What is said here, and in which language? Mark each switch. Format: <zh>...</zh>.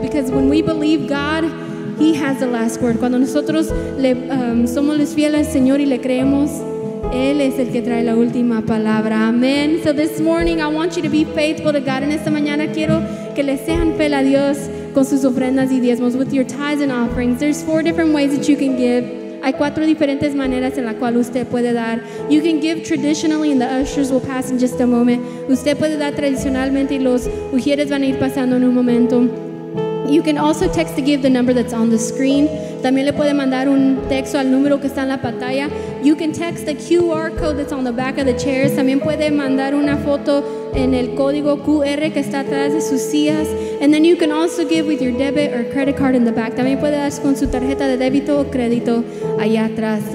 <en>Because when we believe God, he has the last word.</en> <es>Cuando nosotros somos fieles al Señor y le creemos, él es el que trae la última palabra.</es> <en>Amen. So this morning, I want you to be faithful to God.</en> <es>En esta mañana, quiero que le sean fiel a Dios con sus ofrendas y diezmos,</es> <en>with your tithes and offerings. There's four different ways that you can give.</en> <es>Hay cuatro diferentes maneras en la cual usted puede dar.</es> <en>You can give traditionally, and the ushers will pass in just a moment.</en> <es>Usted puede dar tradicionalmente y los ujieres van a ir pasando en un momento.</es> <en>You can also text to give the number that's on the screen.</en> <es>También le puede mandar un texto al número que está en la pantalla.</es> <en>You can text the QR code that's on the back of the chairs.</en> <es>También puede mandar una foto en el código QR que está atrás de sus sillas.</es> <en>And then you can also give with your debit or credit card in the back.</en> <es>También puede dar con su tarjeta de débito o crédito allá atrás.</es>